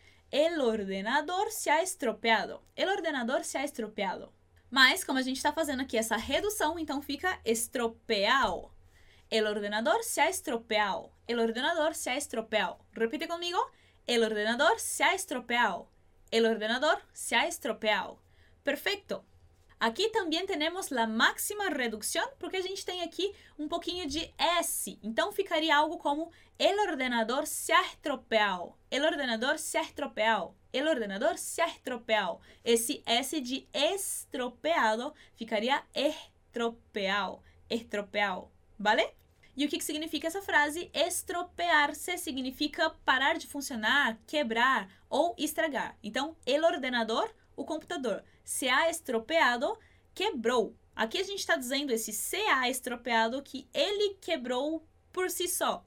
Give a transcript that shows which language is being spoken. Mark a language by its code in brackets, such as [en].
[es] El ordenador se ha estropeado, el ordenador se ha estropeado. [pt] Mas, como a gente está fazendo aqui essa redução, então fica estropeado. [es] El ordenador se ha estropeado, el ordenador se ha estropeado. Repite comigo. El ordenador se ha estropeado. El ordenador se ha estropeado. Perfecto. Aquí también tenemos la máxima reducción porque [pt] a gente tem aqui um pouquinho de S. Então ficaria algo como [es] el ordenador se ha estropeado. El ordenador se ha estropeado. El ordenador se ha estropeado. [pt] Esse S de estropeado ficaria estropeado. [es] Estropeado. ¿Vale? [pt] E o que significa essa frase? Estropear-se significa parar de funcionar, quebrar ou estragar. Então, [es] el ordenador, [pt] o computador, [es] se ha estropeado, [pt] quebrou. Aqui a gente está dizendo esse [es] se ha estropeado [pt] que ele quebrou por si só.